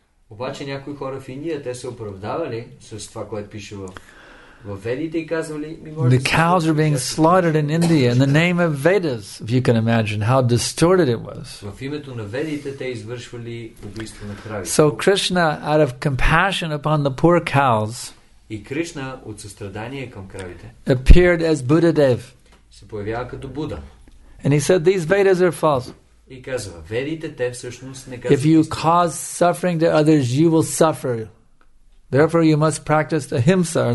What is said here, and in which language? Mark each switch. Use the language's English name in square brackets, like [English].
[Bulgarian] Обаче някои хора в Индия те се оправдавали с това, което пише в Ведите и казвали, [English] the cows are being slaughtered in India in the name of Vedas, if you can imagine how distorted it was. [Bulgarian] В името на Ведите те извършвали убийство на крави. [English] So Krishna, out of compassion upon the poor cows, [Bulgarian] и Кришна от състрадание към кравите, [English] appeared as Buddha Dev. [Bulgarian] Се появява като Буда. [English] And he said these Vedas are false. If you cause suffering to others, you will suffer. Therefore, you must practice ahimsa or